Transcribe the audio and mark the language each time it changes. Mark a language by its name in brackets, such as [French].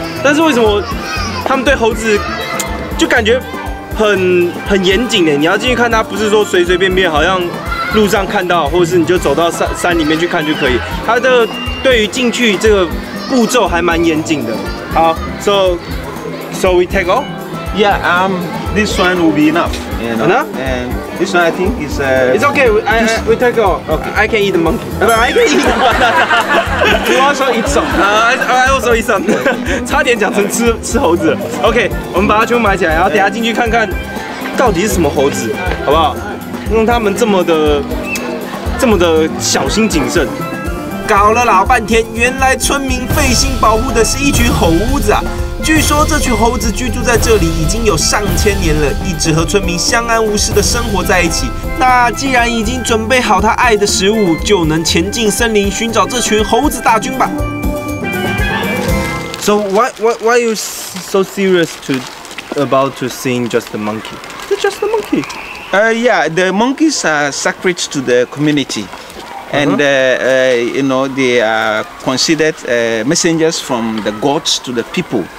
[Chinese] 但是为什么他们对猴子就感觉很严谨呢？你要进去看它，不是说随随便便，好像路上看到，或者是你就走到山里面去看就可以。它的对于进去这个步骤还蛮严谨的。 [English] 好 ，so we take off? Yeah, this one will be enough. You know? This one, I think, is It's okay. We take off. Okay. I can eat the monkey. No, I can eat the monkey. You also eat some. I also eat some. [Chinese] 差点讲成吃猴子。 OK， 我们把它全部埋起来，然后等一下进去看看到底是什么猴子，好不好？用他们这么的小心谨慎。搞了老半天，原来村民费心保护的是一群猴子啊。据说这群猴子居住在这里已经有上千年了，一直和村民相安无事的生活在一起。那既然已经准备好他爱的食物，就能前进森林寻找这群猴子大军吧。 [English] So why are you so serious about seeing just the monkey? It's just the monkey. Yeah, the monkeys are sacred to the community, and you know they are considered messengers from the gods to the people.